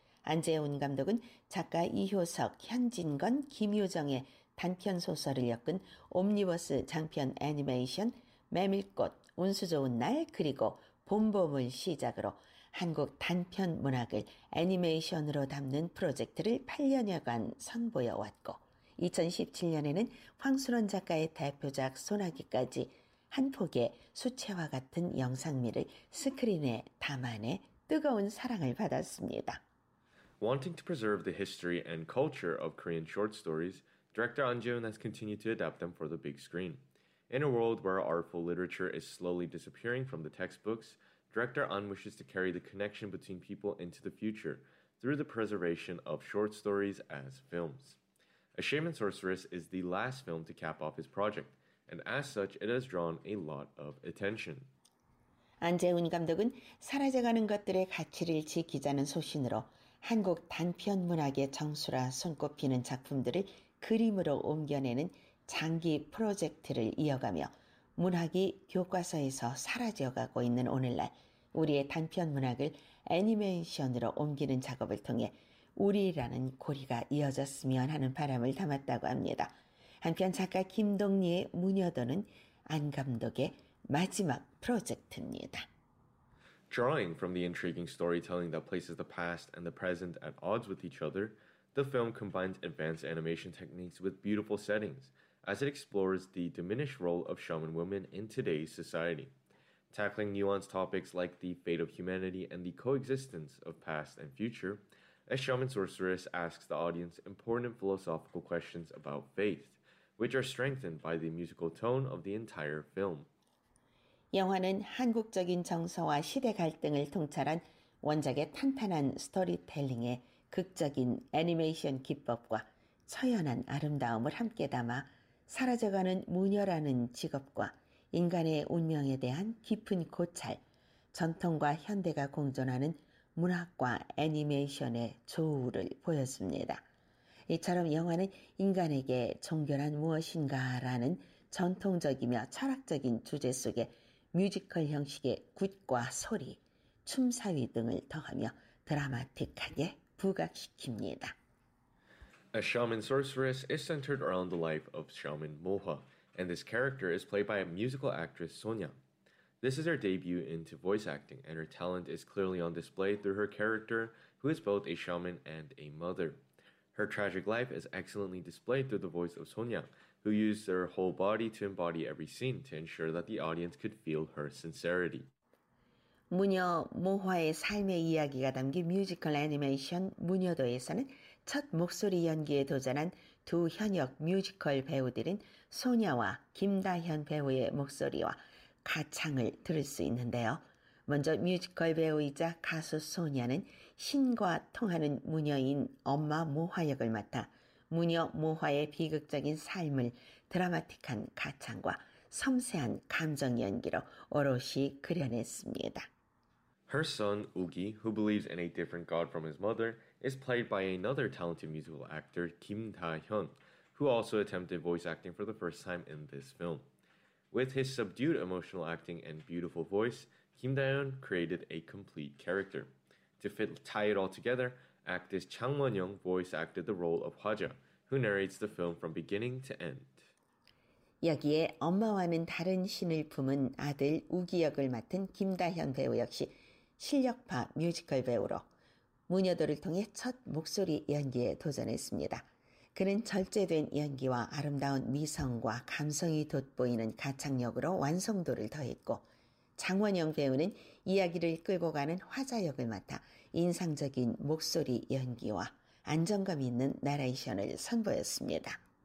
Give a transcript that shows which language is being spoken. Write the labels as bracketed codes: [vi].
[ko] 안재훈 감독은 작가 이효석, 현진건, 김효정의 단편소설을 엮은 옴니버스 장편 애니메이션 메밀꽃, 운수 좋은 날 그리고 봄봄을 시작으로 한국 단편 문학을 애니메이션으로 담는 프로젝트를 8년여간 선보여왔고 2017년에는 황순원 작가의 대표작 소나기까지 한 폭의 수채화 같은 영상미를 스크린에 담아내 뜨거운 사랑을 받았습니다. [en] Wanting to preserve the history and culture of Korean short stories, director An Jae-hoon has continued to adapt them for the big screen. In a world where artful literature is slowly disappearing from the textbooks, director An wishes to carry the connection between people into the future through the preservation of short stories as films. A Shame and Sorceress is the last film to cap off his project, and as such, it has drawn a lot of attention. [ko] 안재훈 감독은 사라져가는 것들의 가치를 지키자는 소신으로 한국 단편 문학의 정수라 손꼽히는 작품들을 그림으로 옮겨내는 장기 프로젝트를 이어가며 문학이 교과서에서 사라져가고 있는 오늘날 우리의 단편 문학을 애니메이션으로 옮기는 작업을 통해 우리라는 고리가 이어졌으면 하는 바람을 담았다고 합니다. 한편 작가 김동리의 무녀도는 안 감독의 마지막 프로젝트입니다. [en] Drawing from the intriguing storytelling that places the past and the present at odds with each other, the film combines advanced animation techniques with beautiful settings as it explores the diminished role of shaman women in today's society. Tackling nuanced topics like the fate of humanity and the coexistence of past and future, A Shaman Sorceress asks the audience important philosophical questions about faith, which are strengthened by the musical tone of the entire film. [ko] 영화는 한국적인 정서와 시대 갈등을 통찰한 원작의 탄탄한 스토리텔링에 극적인 애니메이션 기법과 처연한 아름다움을 함께 담아 사라져가는 무녀라는 직업과 인간의 운명에 대한 깊은 고찰, 전통과 현대가 공존하는 문학과 애니메이션의 조우를 보였습니다. 이처럼 영화는 인간에게 종교란 무엇인가라는 전통적이며 철학적인 주제 속에 뮤지컬 형식의 굿과 소리, 춤사위 등을 더하며 드라마틱하게 부각시킵니다. [en] A Shaman Sorceress is centered around the life of Shaman Moha, and this character is played by a musical actress Sonia. This is her debut into voice acting, and her talent is clearly on display through her character, who is both a shaman and a mother. Her tragic life is excellently displayed through the voice of Sonia, who used her whole body to embody every scene to ensure that the audience could feel her sincerity. [ko] 무녀 모화의 삶의 이야기가 담긴 뮤지컬 애니메이션 무녀도에서는 첫 목소리 연기에 도전한 두 현역 뮤지컬 배우들인 소녀와 김다현 배우의 목소리와 가창을 들을 수 있는데요. 먼저 뮤지컬 배우이자 가수 소녀는 신과 통하는 무녀인 엄마 모화 역을 맡아 무녀 모화의 비극적인 삶을 드라마틱한 가창과 섬세한 감정 연기로 오롯이 그려냈습니다. [en] Her son, Ugi, who believes in a different god from his mother, is played by another talented musical actor, Kim Da-hyun, who also attempted voice acting for the first time in this film. With his subdued emotional acting and beautiful voice, Kim Da-hyun created a complete character. To fit tie it all together, actress Chang Won-young voice acted the role of Hwaja, who narrates the film from beginning to end. [ko] 여기에 엄마와는 다른 신을 품은 아들 우기 역을 맡은 김다현 배우 역시 실력파 뮤지컬 배우로 무녀도를 통해 첫 목소리 연기에 도전했습니다. 그는 절제된 연기와 아름다운 미성과 감성이 돋보이는 가창력으로 완성도를 더했고 장원영 배우는 이야기를 끌고 가는 화자 역을 맡아 인상적인 목소리 연기와 안정감 있는 나레이션을 선보였습니다.